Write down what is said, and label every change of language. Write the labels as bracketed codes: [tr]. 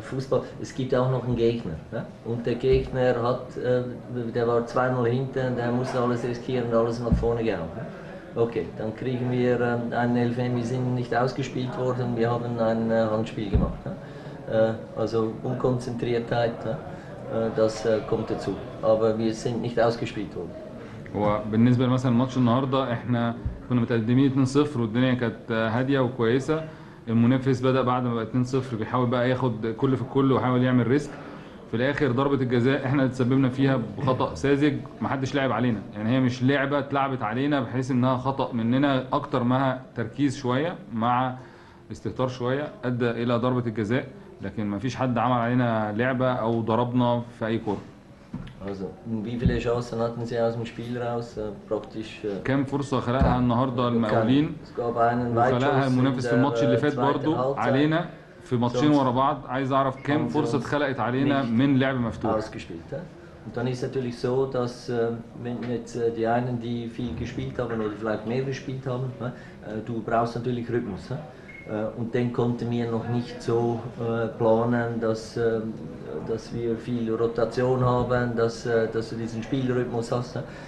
[de] Fußball, es gibt auch noch einen Gegner. Ja? Und der Gegner hat, der war 2-0 hinten, der muss alles riskieren und alles nach vorne gehen. Ja? Okay, dann kriegen wir einen Elfmeter, wir sind nicht ausgespielt worden, wir haben ein Handspiel gemacht. Ja? Also Unkonzentriertheit, das kommt dazu. Aber wir sind nicht ausgespielt worden. [ar] وبالنسبة مثلا الماتش النهاردة احنا كنا متقدمين 2-0 والدنيا كانت هادية وكويسة. المنافس بدأ بعد ما بقى 2-0 بيحاول بقى ياخد كل في كل وحاول يعمل ريسك. في الآخر ضربة الجزاء احنا تسببنا فيها بخطأ ساذج ما حدش لعب علينا. يعني هي مش لعبة اتلعبت علينا بحيث انها خطأ مننا أكتر ما تركيز شوية مع استهتار شوية أدى إلى ضربة الجزاء. لكن ما فيش حد عمل علينا لعبة أو ضربنا في أي كورة. [de] Also, wie viele Chancen hatten Sie aus dem Spiel raus? Praktisch. [ar] كم فرصة خلقها النهاردة المقاولين؟ خلقها المنافس في الماتش اللي فات برضو علينا في ماتشين ورا بعض. عايز أعرف كم فرصة اتخلقت علينا من لعب مفتوح. [de] Ausgespielt. Und dann ist natürlich so, dass wenn jetzt die einen, die viel gespielt haben oder vielleicht mehr gespielt haben, du brauchst natürlich Rhythmus. Und den konnten wir noch nicht so planen, dass wir viel Rotation haben, dass du diesen Spielrhythmus hast.